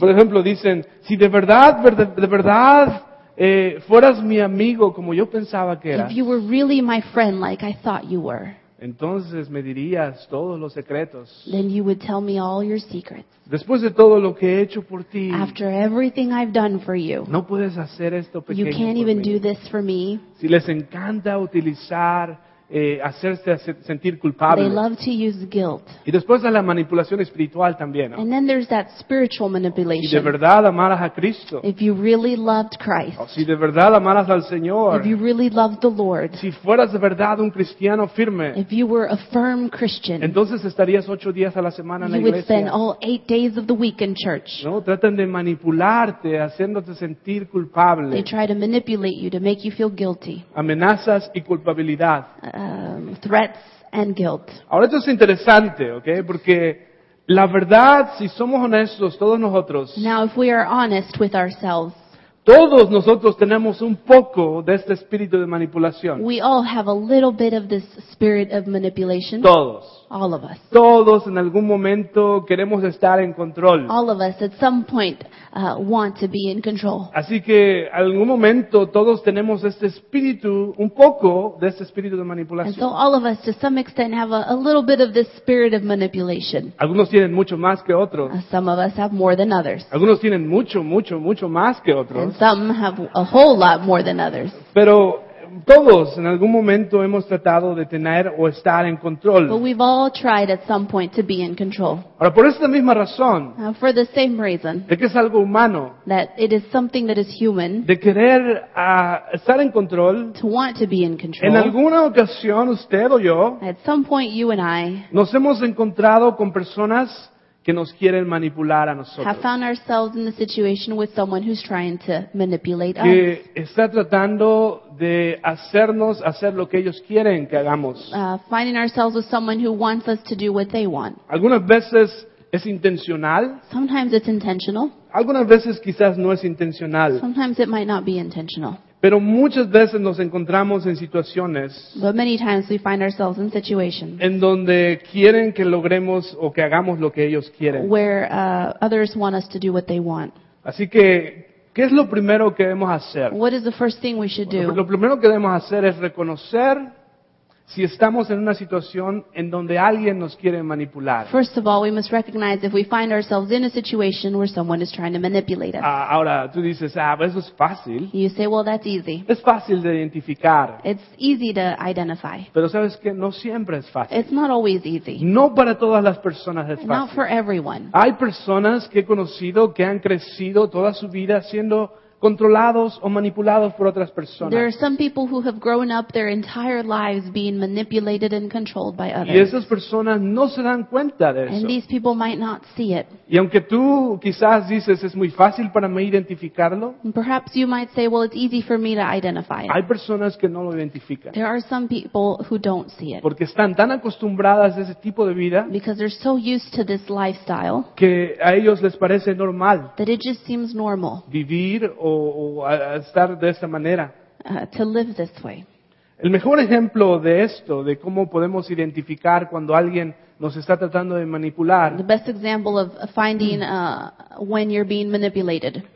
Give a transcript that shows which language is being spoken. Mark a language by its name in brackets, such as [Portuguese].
[Spanish] Por ejemplo, dicen, si de verdad fueras mi amigo como yo pensaba que eras. [English] If you were really my friend like I thought you were. [Spanish] Entonces me dirías todos los secretos. [English] Then you would tell me all your secrets. [Spanish] Después de todo lo que he hecho por ti. [English] After everything I've done for you. [Spanish] No puedes hacer esto pequeño. [English] You can't even do this for me. [Spanish] Si les encanta utilizar hacerse sentir culpable. [English] They love to use guilt. [Spanish] Y después de la manipulación espiritual también, ¿no? [English] And then there's that spiritual manipulation. [Spanish] Si de verdad amaras a Cristo. [English] If you really loved Christ. [Spanish] Si de verdad amaras al Señor. [English] If you really loved the Lord. [Spanish] Si fueras de verdad un cristiano firme. [English] If you were a firm Christian. [Spanish] Entonces estarías 8 días a la semana en la iglesia. [English] You would spend all 8 days of the week in church. [Spanish] No, tratan de manipularte, haciéndote sentir culpable. [English] They try to manipulate you to make you feel guilty. [Spanish] Amenazas y culpabilidad. [English] Threats and guilt. [Spanish] Ahora esto es interesante, ¿okay? Porque la verdad, si somos honestos, todos nosotros. [English] Now, if we are honest with ourselves. [Spanish] Todos nosotros tenemos un poco de este espíritu de manipulación. [English] We all have a little bit of this spirit of manipulation. [Spanish] Todos. [English] All of us. [Spanish] Todos en algún momento queremos estar en control. [English] All of us at some point want to be in control. [Spanish] Así que en algún momento todos tenemos este espíritu, un poco de este espíritu de manipulación. [English] And so all of us to some extent have a little bit of this spirit of manipulation. [Spanish] Algunos tienen mucho más que otros. [English] Some of us have more than others. [Spanish] Algunos tienen mucho, mucho, mucho más que otros. [English] And some have a whole lot more than others. [Spanish] Pero todos en algún momento hemos tratado de tener o estar en control. [English] But we've all tried at some point to be in control. [Spanish] Ahora, por esta misma razón, [English] for the same reason, [Spanish] de que es algo humano, [English] that it is something that is human, [Spanish] de querer estar en control, [English] to want to be in control, [Spanish] en alguna ocasión usted o yo, [English] at some point you and I, [Spanish] nos hemos encontrado con personas que nos quieren manipular a nosotros. [English] Have found ourselves in the situation with someone who's trying to manipulate [Spanish] que [English] us. [Spanish] Está tratando de hacernos hacer lo que ellos quieren que hagamos. [English] Finding ourselves with someone who wants us to do what they want. [Spanish] Algunas veces es intencional. [English] Sometimes it's intentional. [Spanish] Algunas veces quizás no es intencional. [English] Sometimes it might not be intentional. [Spanish] Pero muchas veces nos encontramos en situaciones [English] but many times we find ourselves in situations [Spanish] en donde quieren que logremos o que hagamos lo que ellos quieren. [English] Where others want us to do what they want. [Spanish] Así que, ¿qué es lo primero que debemos hacer? [English] What is the first thing we should do? [Spanish] Lo primero que debemos hacer es reconocer si estamos en una situación en donde alguien nos quiere manipular. [English] First of all, we must recognize if we find ourselves in a situation where someone is trying to manipulate us. [Spanish] Ahora, tú dices, eso es fácil. [English] You say, well, that's easy. [Spanish] Es fácil de identificar. [English] It's easy to identify. [Spanish] Pero sabes que no siempre es fácil. [English] It's not always easy. [Spanish] No para todas las personas es fácil. [English] Not for everyone. [Spanish] Hay personas que he conocido que han crecido toda su vida siendo controlados o manipulados por otras personas. [English] There are some people who have grown up their entire lives being manipulated and controlled by others. [Spanish] Y esas personas no se dan cuenta de eso. [English] And these people might not see it. [Spanish] Y aunque tú quizás dices es muy fácil para mí identificarlo. [English] Perhaps you might say, well, it's easy for me to identify it. [Spanish] Hay personas que no lo identifican. [English] There are some people who don't see it. [Spanish] Porque están tan acostumbradas a ese tipo de vida. [English] Because they're so used to this lifestyle. [Spanish] Que a ellos les parece normal. [English] That it just seems normal. [Spanish] Vivir o estar de esta manera. [English] To live this way. [Spanish] El mejor ejemplo de esto, de cómo podemos identificar cuando alguien nos está tratando de manipular. [English] The best example of finding when you're being manipulated.